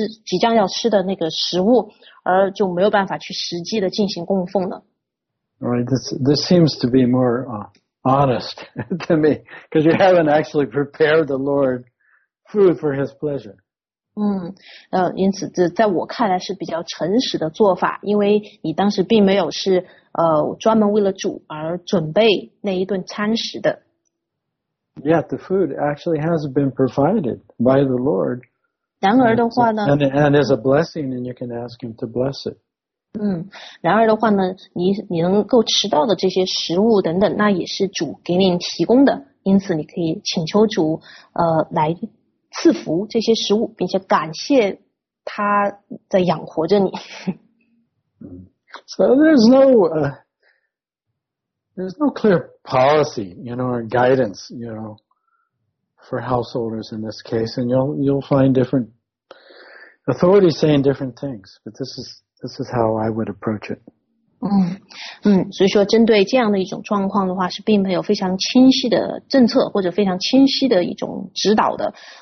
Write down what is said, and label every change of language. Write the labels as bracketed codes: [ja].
[zh] 但特别就考虑到对于居士来说，比如说有孩子要照顾啊，然后有老人要照顾，然后如果一天又是非常繁忙的等等，那么像这种，就像我们刚才所回答的上一个问题那样，那么针对这样的一种状况，我们就可以在心里向主解释这样的一种状况，然后请求主来赐福于我们，当时所吃即将要吃的那个食物。 [en] This seems to be more honest to me, because you haven't actually prepared the Lord food for his pleasure. [zh] 因此这在我看来是比较诚实的做法，因为你当时并没有是专门为了主而准备那一顿餐食的。 [en] Yet the food actually has been provided by the Lord. [zh] 然而的话呢， [en] and is a blessing, and you can ask him to bless it. [zh] 然而的话呢，你能够吃到的这些食物等等，那也是主给您提供的，因此你可以请求主来赐福这些食物，并且感谢他在养活着你。 [en] So there's no clear policy, you know, or guidance, you know, for householders in this case, and you'll find different authority is saying different things, but this is how I would approach it. [zh] 所以说针对这样的一种状况的话，是并没有非常清晰的政策或者非常清晰的一种指导的。